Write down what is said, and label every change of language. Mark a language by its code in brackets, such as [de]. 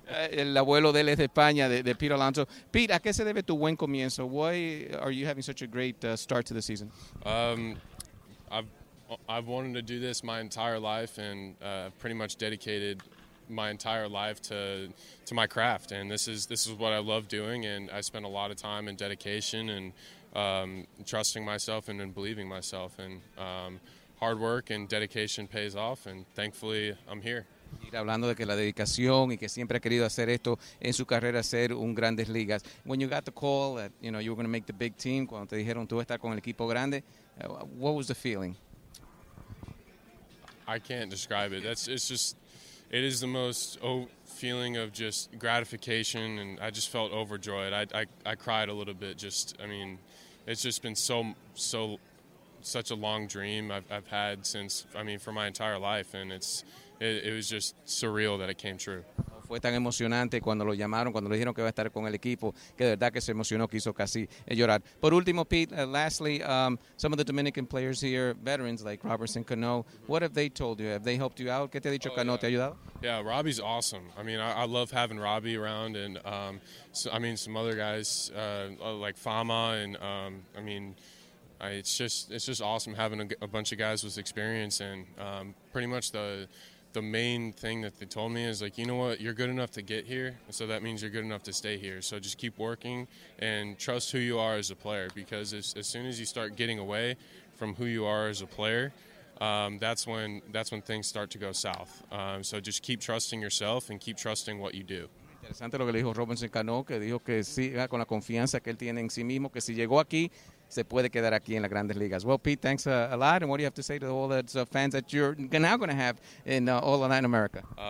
[es] El abuelo de él es de España, de Pete Alonso. Pete, ¿a qué se debe tu buen comienzo? [en] Why are you having such a great start to the season? I've wanted to do this my entire life, and pretty much dedicated my entire life to my craft. And this is what I love doing. And I spent a lot of time and dedication and trusting myself and believing myself and hard work and dedication pays off, and thankfully I'm here. [es] Ir hablando de que la dedicación y que siempre ha querido hacer esto en su carrera, ser un Grandes Ligas. [en] When you got the call that you know you were going to make the big team, [es] cuando te dijeron tú vas a estar con el equipo grande, [en] what was the feeling? I can't describe it. It is the most feeling of just gratification, and I just felt overjoyed. I cried a little bit. It's just been so. Such a long dream I've had since, for my entire life, and it was just surreal that it came true. [es] Fue tan emocionante cuando lo llamaron, cuando le dijeron que va a estar con el equipo, que de verdad que se emocionó, quiso casi llorar. Por último, [en] Pete, lastly, some of the Dominican players here, veterans like Robertson Cano, what have they told you? Have they helped you out? [es] ¿Qué te ha dicho Cano? ¿Te ha ayudado? [en] Yeah, Robbie's awesome. I love having Robbie around, and some other guys like Fama, and It's just awesome having a bunch of guys with experience, and pretty much the main thing that they told me is like, you know what, you're good enough to get here, so that means you're good enough to stay here. So just keep working and trust who you are as a player, because as soon as you start getting away from who you are as a player, that's when things start to go south. So just keep trusting yourself and keep trusting what you do. [es] Interesante lo que le dijo Robinson Cano, que dijo que siga con la confianza que él tiene en sí mismo, que si llegó aquí se puede quedar aquí en las Grandes Ligas. [en] Well, Pete, thanks a lot. And what do you have to say to all the fans that you're now going to have in all of Latin America?